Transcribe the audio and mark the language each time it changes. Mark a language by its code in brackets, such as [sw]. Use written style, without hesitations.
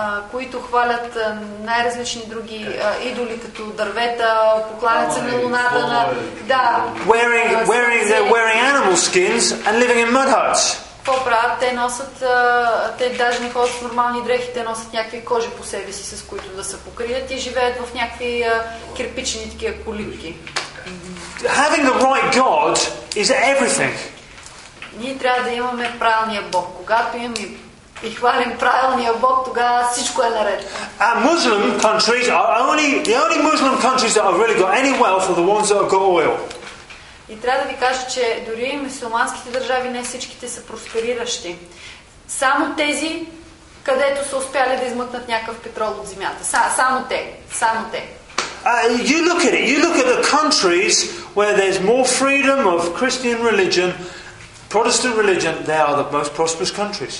[bg] които хвалят най-различни други идоли като дървета, покланят се на луната, на да. [en] Wearing animal skins and living in mud huts. [bg] Какво правят? Те носят, те даже не ходят с нормални дрехи, те носят някакви кожи по себе си, с които да се покрият и живеят в някакви кирпични такива колибки. [en] Having the right God is everything. [bg] Ние трябва да имаме правилния Бог. Когато имаме и хвалим правилния Бог, тогава всичко е наред. [en] And Muslim countries are the only Muslim countries that have really got any wealth are the ones that have got oil. [bg] И трябва да ви кажа, че дори и мюсюлманските държави не всичките са проспериращи. Само тези, където са успяли да измъкнат някакъв петрол от земята. Само те. [en] You look at the countries where there's more freedom of Christian religion, Protestant religion, they are the most prosperous countries.